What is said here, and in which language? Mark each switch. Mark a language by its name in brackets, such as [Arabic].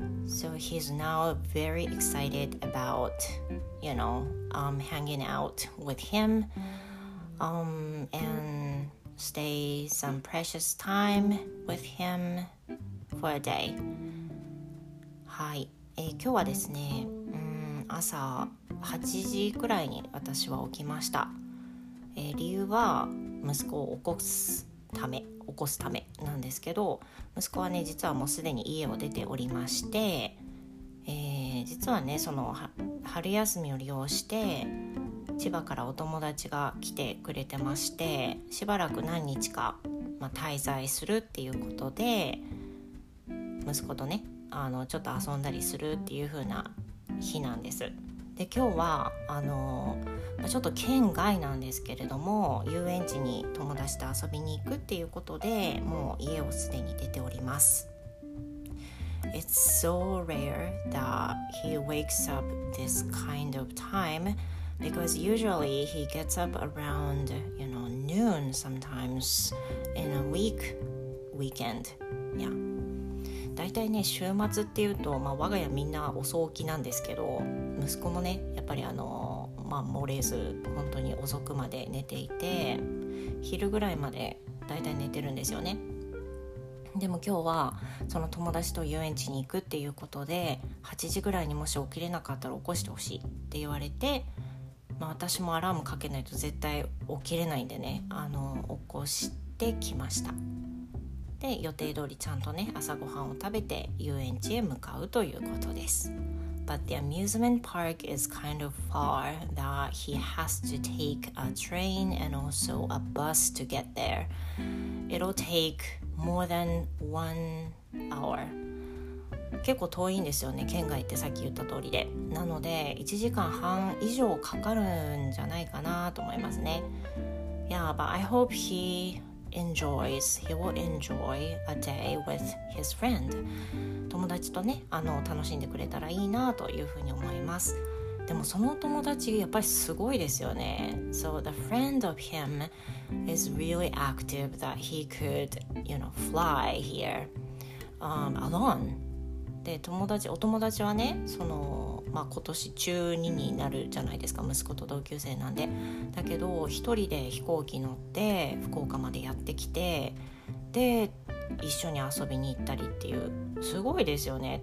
[English] So he's now very excited about, you know, hanging out with him and stay some precious time with him for a day. [Japanese] はい、今日はですね、朝8時くらいに私は起きました。理由は息子を起こすためなんですけど、息子はね、実はもうすでに家を出ておりまして、実はね、その春休みを利用して千葉からお友達が来てくれてまして、しばらく何日か、滞在するっていうことで、息子とね、ちょっと遊んだりするっていう風な日なんです。で、今日はちょっと県外なんですけれども、遊園地に友達と遊びに行くっていうことで、もう家をすでに出ております。 [English] It's so rare that he wakes up this kind of time, because usually he gets up around, you know, noon sometimes in a weekend. Yeah. [Japanese] 大体ね、週末っていうと、我が家みんな遅起きなんですけど、息子もね、やっぱり漏れず本当に遅くまで寝ていて、昼ぐらいまで大体寝てるんですよね。でも今日はその友達と遊園地に行くっていうことで、8時ぐらいにもし起きれなかったら起こしてほしいって言われて、私もアラームかけないと絶対起きれないんでね、起こしてきました。で、予定通りちゃんとね、朝ごはんを食べて遊園地へ向かうということです。 [English] But the amusement park is kind of far that he has to take a train and also a bus to get there. It'll take more than 1 hour. [Japanese] 結構遠いんですよね、県外ってさっき言った通りで。なので、1時間半以上かかるんじゃないかなと思いますね。 [English] Yeah, but I hope he will enjoy a day with his friend. [Japanese] 友達とね、楽しんでくれたらいいなというふうに思います。でもその友達やっぱりすごいですよね。 [English] So the friend of him is really active that he could, you know, fly here, alone. [Japanese] で、お友達はね、今年中2になるじゃないですか、息子と同級生なんで。だけど一人で飛行機乗って福岡までやってきて、で一緒に遊びに行ったりっていう、すごいですよね。